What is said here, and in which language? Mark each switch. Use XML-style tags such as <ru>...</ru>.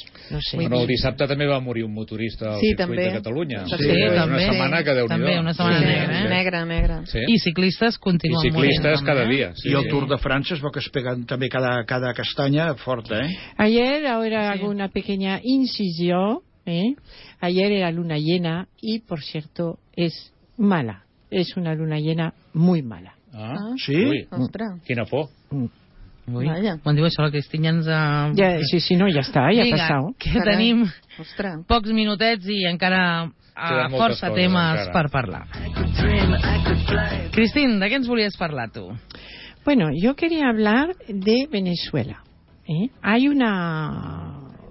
<ca>No sé. Bueno, el dissabte també va morir un motorista al circuit també. De Catalunya. Sí, també. Una setmana que Déu-n'hi-do. També, una setmana negra. Sí. I ciclistes continuen morint. I ciclistes morint, cada dia. Sí. I el Tour de França es veu que es pega també cada castanya, forta, eh?</ca> <es>Ayer, ahora hago una pequeña incisió, eh? Ayer era luna llena y, por cierto, es mala. Es una luna llena muy mala.</es> <ca>Ah, sí? Ostres. Quina por. Quan diu això la Cristina ens... Ja està, ja ha passat. Que carà, tenim ostres. Pocs minutets i encara força coses, temes encara. Per parlar. Cristina, de què ens volies parlar tu?</ca> <es>Bueno, yo quería hablar de Venezuela. ¿Eh? Hay una...</es>